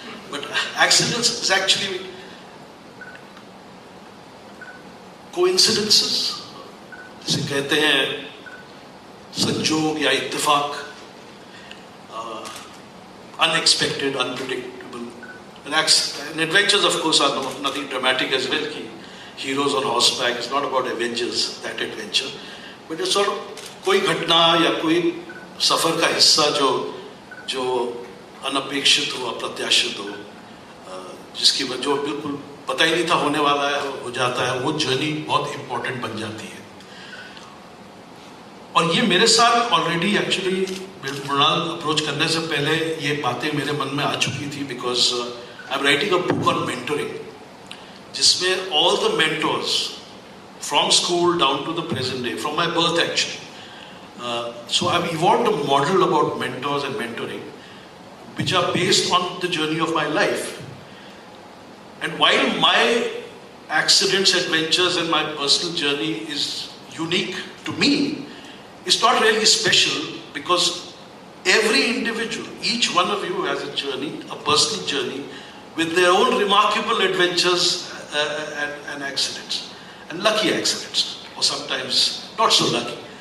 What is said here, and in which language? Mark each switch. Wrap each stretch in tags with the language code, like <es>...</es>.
<en>But accidents is actually coincidences,</en> <hi>jise kehte hain sanjog ya ittefaq,</hi> <en>unexpected, unpredictable. An adventures, of course, are nothing dramatic as well, ki heroes on horseback, it's not about Avengers, that adventure. But it's sort of</en> <hi>कोई घटना या कोई सफर का हिस्सा जो अनपेक्षित हो, अप्रत्याशित हो, जिसकी वजह जो बिल्कुल पता ही नहीं था होने वाला है हो जाता है, वो जर्नी बहुत इम्पोर्टेंट बन जाती है. और ये मेरे साथ ऑलरेडी एक्चुअली मृणाल अप्रोच करने से पहले ये बातें मेरे मन में आ चुकी थी,</hi> <en>Because I am writing a book on mentoring, जिसमें all the mentors from school down to the present day, from my birth actually. So I've evolved a model about mentors and mentoring, which are based on the journey of my life. And while my accidents, adventures, and my personal journey is unique to me, it's not really special, because every individual, each one of you has a journey, a personal journey, with their own remarkable adventures and accidents, and lucky accidents, or sometimes not so lucky.</en>